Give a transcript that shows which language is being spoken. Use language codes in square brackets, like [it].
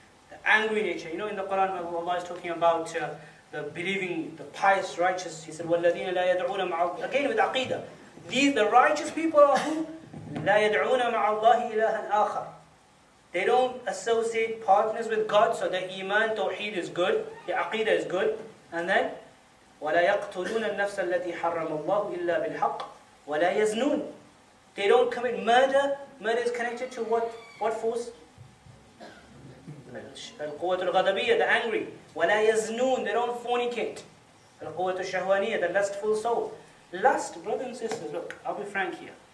[en] The angry nature, in the Quran, Allah is talking about the believing, the pious, righteous. He said, [ar] "Walladina la yad'una ma'allahi," [en] again with aqidah. These, the righteous people are who? [ar] La yad'una ma'allahi ilahan akhar. [en] They don't associate partners with God, so their iman, tawheed is good, the aqidah is good. And then, [ar] وَلَا يَقْتُلُونَ النَّفْسَ الَّتِي حَرَّمَ اللَّهُ إِلَّا بِالْحَقِّ وَلَا يَزْنُونَ. [en] They don't commit murder. Murder is connected to what force? [ar] القوة الغضبية, [en] the angry. [ar] وَلَا يَزْنُونَ, [en] they don't fornicate. [ar] القوة الشهوانية, [en] the lustful soul. Lust, brothers and sisters, look, I'll be frank here.